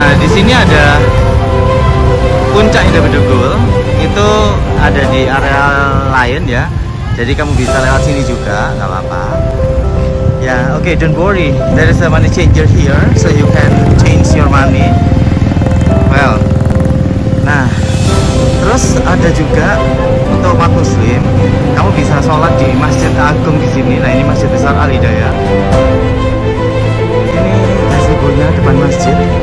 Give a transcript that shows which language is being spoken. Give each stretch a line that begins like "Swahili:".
Indonesian: Ini ada puncak Indah Bedugul, itu ada di area lain ya, jadi kamu bisa lewat sini juga, gak apa-apa ya.
English: Yeah, okay, don't worry, there is a money changer here, so you can change your money.
Indonesian: Well, nah, terus ada juga untuk umat muslim, kamu bisa sholat di masjid agung di sini. Nah, ini masjid besar Al-Hidayah. Ini gazebo-nya depan masjid.